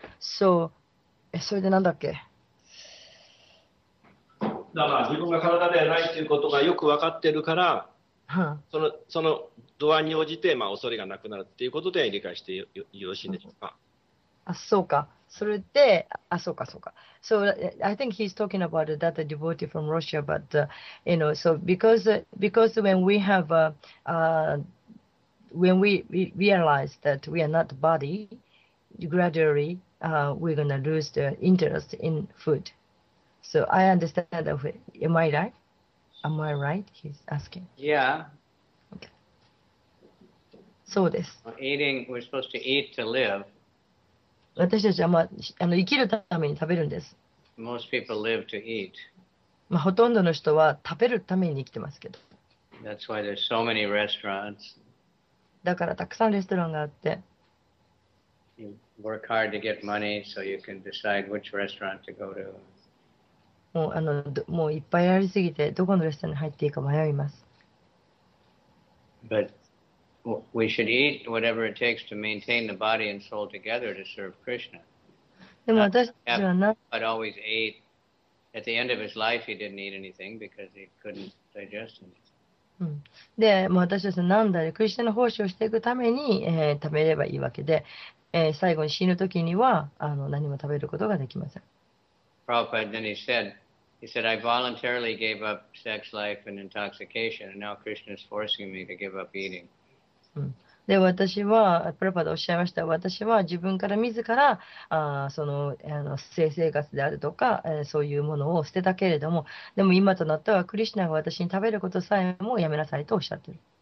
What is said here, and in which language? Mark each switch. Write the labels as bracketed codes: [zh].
[ja] So, それでなんだっけ？だから自分が体ではないということがよく分かってるから、その度合いに応じて、まあ、恐れがなくなるっていうことで理解してよろしいでしょうか？あ、そうか。それで、あ、そうか、そうか。 [en] So, I think he's talking about that devotee from Russia, but, you know, so because when we have, when we realize that we are not body, gradually, we're going to lose the interest in food. So I understand that. Am I right? Am I right? He's asking. Yeah. [ja] Okay. そうです。 [en] Eating, we're supposed to eat to live. [ja] 私たちは、まあ、生きるために食べるんです。 [en] Most people live to eat. [ja] まあ、ほとんどの人は食べるために生きてますけど。 [en] That's why there's so many restaurants. [ja] だからたくさんレストランがあって。 [en] You work hard to get money so you can decide which restaurant to go to. [ja] もういっぱいありすぎて、どこのレストランに入っていいか迷います。 [en] But... We should eat whatever it takes to maintain the body and soul together to serve Krishna. But always ate. At the end of his life, he didn't eat anything because he couldn't digest anything. [ja] で、私たちは何だろう、クリシュナの奉仕をしていくために、食べればいいわけで、最後に死ぬ時には何も食べることができません。 [en] Prabhupada, then he said, I voluntarily gave up sex life and intoxication, and now Krishna is forcing me to give up eating. [ja] で私はプラパでおっしゃいました。私は自分から自らその性生活であるとか、そういうものを捨てたけれども、でも今となってはクリシュナが私に食べることさえもやめなさいとおっしゃってる。